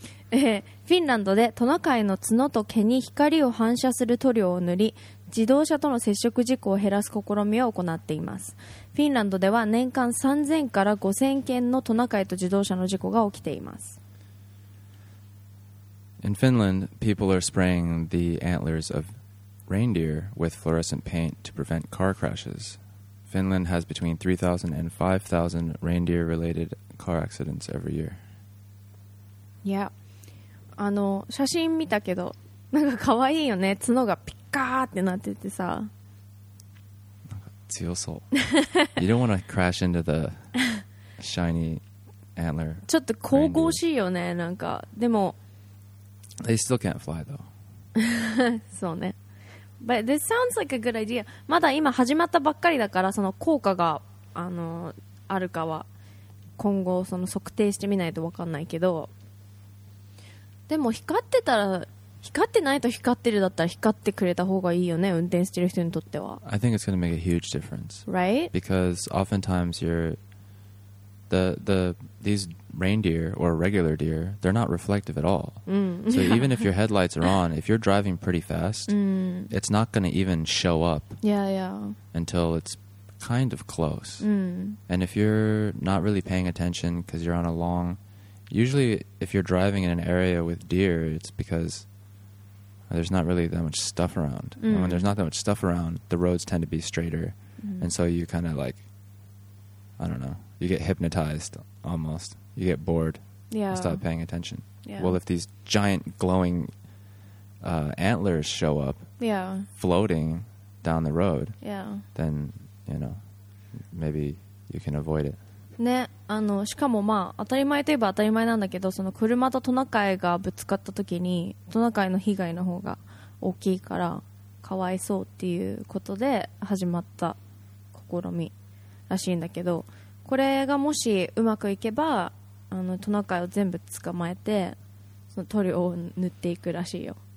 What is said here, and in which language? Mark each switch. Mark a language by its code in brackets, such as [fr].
[ja] フィンランドでトナカイの角と毛に光を反射する塗料を塗り自動車との接触事故を減らす試みを行っていますフィンランドでは年間3000から5000件のトナカイと自動車の事故が起きています [en] In Finland, people are spraying the antlers of reindeer with fluorescent paint to prevent car crashes Finland has between 3,000 and 5,000 reindeer-related car accidents every year Yeah [ja] あの写真見たけどなんか可愛いよね角がピッカーってなっててさなんか強そう [en] You don't want to crash into the shiny antler [ja] ちょっと神々しいよねなんかでも [en] They still can't fly though. [ja] そうね。 [en] But this sounds like a good idea. [ja] まだ今始まったばっかりだから、その効果が あるかは今後その測定してみないと分かんないけど、でも光ってたら、光ってないと光ってるだったら光ってくれた方がいいよね、運転してる人にとっては。 [en] I think it's going to make a huge difference. Right? Because oftentimes you're these reindeer or regular deer, they're not reflective at all. So even if your headlights are on, if you're driving pretty fast, it's not going to even show up. Yeah, yeah. Until it's kind of close. And if you're not really paying attention because you're on a long, usually if you're driving in an area with deer, it's because there's not really that much stuff around. And when there's not that much stuff around, the roads tend to be straighter. And so you kind of like, I don't know, you get hypnotized almost. You get bored. Yeah. And stop paying attention. Yeah. Well, if these giant glowing antlers show up, yeah, floating down the road, yeah, then, you know, maybe you can avoid it. [ja] ね、しかもまあ当たり前といえば当たり前なんだけど、その車とトナカイがぶつかった時にトナカイの被害の方が大きいからかわいそうっていうことで始まった試みらしいんだけど、これがもしうまくいけばトナカイを全部捕まえてその塗料を塗っていくらしいよ。